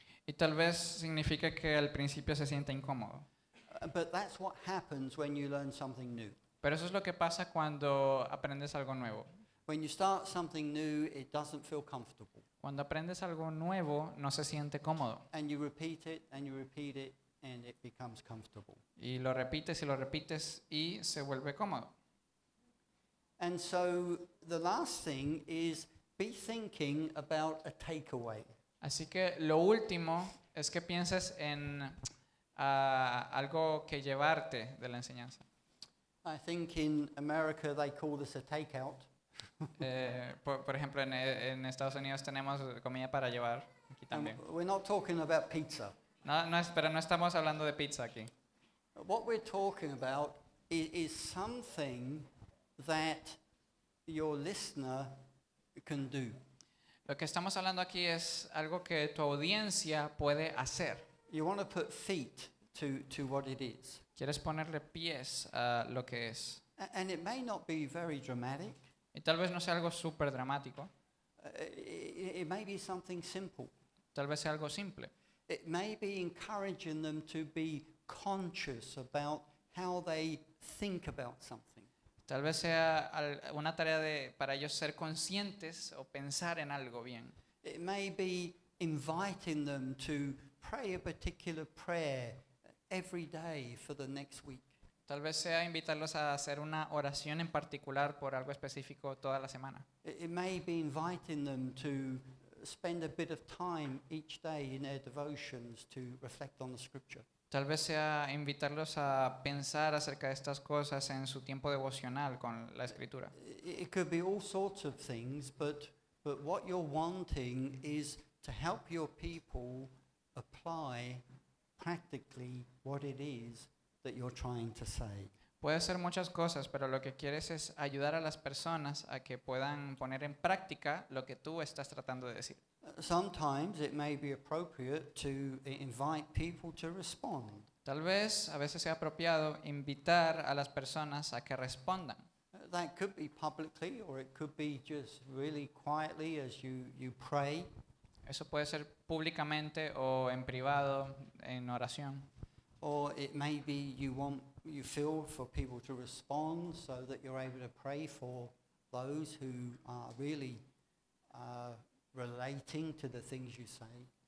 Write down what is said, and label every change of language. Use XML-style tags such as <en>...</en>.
<es>Y tal vez significa que al principio se siente incómodo.</es> <en>But that's what happens when you learn something new.</en> <es>Pero eso es lo que pasa cuando aprendes algo nuevo.</es> <en>When you start something new, it doesn't feel comfortable.</en> <es>Cuando aprendes algo nuevo, no se siente cómodo.</es> <en>And you repeat it, and you repeat it, and it becomes comfortable.</en> <es>Y lo repites y lo repites y se vuelve cómodo.</es> <en>And so the last thing is be thinking about a takeaway.</en> <es>Así que lo último es que pienses en algo que llevarte de la enseñanza.</es> <en>I think in America they call this a takeout.</en> <es>Por ejemplo, en Estados Unidos tenemos comida para llevar aquí también.</es> <en>And we're not talking about pizza.</en> <es>Pero no estamos hablando de pizza aquí.</es> <en>What we're talking about is something that your listener can do.</en> <es>Lo que estamos hablando aquí es algo que tu audiencia puede hacer.</es> <en>You want to put feet to what it is.</en> <es>Quieres ponerle pies a lo que es.</es> <en>And it may not be very dramatic.</en> <es>Y tal vez no sea algo súper dramático.</es> <en>It may be something simple.</en> <es>Tal vez sea algo simple.</es> <en>It may be encouraging them to be conscious about how they think about something.</en> <es>Tal vez sea una tarea de para ellos ser conscientes o pensar en algo bien.</es> <en>It may be inviting them to pray a particular prayer every day for the next week.</en> <es>Tal vez sea invitarlos a hacer una oración en particular por algo específico toda la semana.</es> <en>It may be inviting them to spend a bit of time each day in their devotions to reflect on the scripture.</en> <es>Tal vez sea invitarlos a pensar acerca de estas cosas en su tiempo devocional con la escritura.</es> <en>It could be all sorts of things, but what you're wanting is to help your people apply practically what it is that you're trying to say.</en> <es>Puede ser muchas cosas, pero lo que quieres es ayudar a las personas a que puedan poner en práctica lo que tú estás tratando de decir.</es> <en>Sometimes it may be appropriate to invite people to respond.</en> <es>Tal vez a veces sea apropiado invitar a las personas a que respondan.</es> <en>That could be publicly or it could be just really quietly as you pray.</en> <es>Eso puede ser públicamente o en privado en oración.</es> <en>Or it may be you feel for people to respond so that you're able to pray for those who are really relating to the things you say.</en>